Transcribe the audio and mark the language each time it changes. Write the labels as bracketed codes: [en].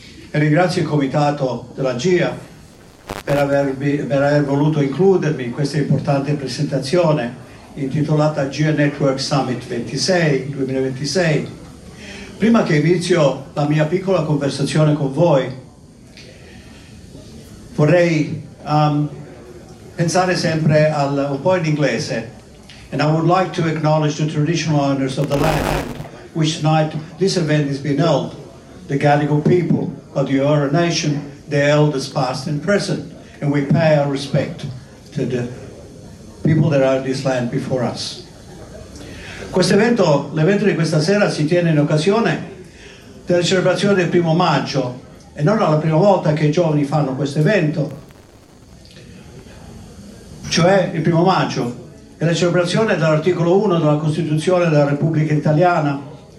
[it] E ringrazio il comitato della GIA per aver voluto includermi in questa importante presentazione intitolata GIA Network Summit 2026. Prima che inizio la mia piccola conversazione con voi, vorrei pensare sempre al un po' in inglese. [en] And I would like to acknowledge the traditional owners of the land which tonight this event is being held, the Gadigal people of the Eora Nation, the elders past and present, and we pay our respect to the people that are in this land before us. [it] Questo evento, l'evento di questa sera, si tiene in occasione della celebrazione del 1° maggio, e non è la prima volta che i giovani fanno questo evento, cioè il 1° maggio, è la celebrazione dell'articolo 1 della Costituzione della Repubblica Italiana.